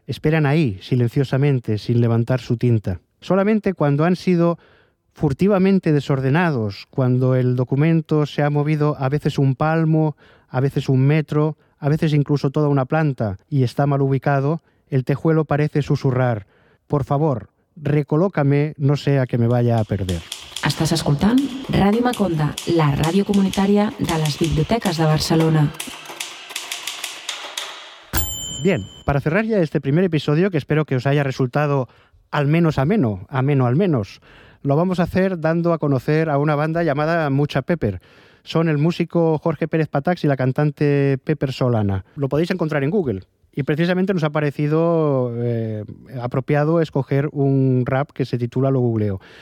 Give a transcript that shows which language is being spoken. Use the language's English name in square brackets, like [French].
[Spanish] Esperan ahí, silenciosamente, sin levantar su tinta. Solamente cuando han sido furtivamente desordenados, cuando el documento se ha movido a veces un palmo, a veces un metro, a veces incluso toda una planta y está mal ubicado, el tejuelo parece susurrar: «Por favor, recolócame, no sea que me vaya a perder». [Catalan] Estàs escoltant Ràdio Maconda, la ràdio comunitària de les biblioteques de Barcelona. [Spanish] Bien, para cerrar ya este primer episodio, que espero que os haya resultado al menos ameno al menos, lo vamos a hacer dando a conocer a una banda llamada Mucha Pepper. Son el músico Jorge Pérez Patax y la cantante Pepper Solana. Lo podéis encontrar en Google. Y precisamente nos ha parecido apropiado escoger un rap que se titula Lo Googleo.